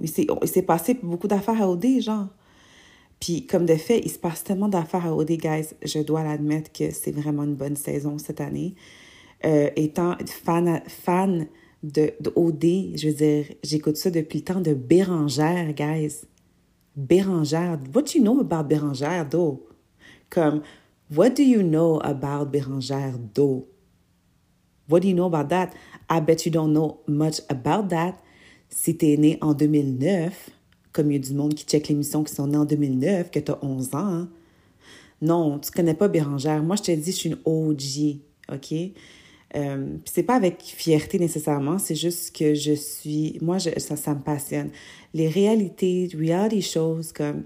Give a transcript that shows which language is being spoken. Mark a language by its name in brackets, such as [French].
[French] Il s'est passé beaucoup d'affaires à OD, genre. » Puis, comme de fait, il se passe tellement d'affaires à OD, guys. Je dois l'admettre que c'est vraiment une bonne saison cette année. Étant fan de OD, je veux dire, j'écoute ça depuis le temps de Bérangère, guys. [English] Bérangère. What do you know about Bérangère, though? Comme, what do you know about Bérangère, though? What do you know about that? I bet you don't know much about that. [French] Si t'es né en 2009... comme il y a du monde qui check l'émission qui sont nés en 2009, que t'as 11 ans. Hein? Non, tu connais pas Bérangère. Moi, je te dis, je suis une OG, OK? Puis c'est pas avec fierté nécessairement, c'est juste que je suis... Moi, ça me passionne. Les réalités, reality shows, comme...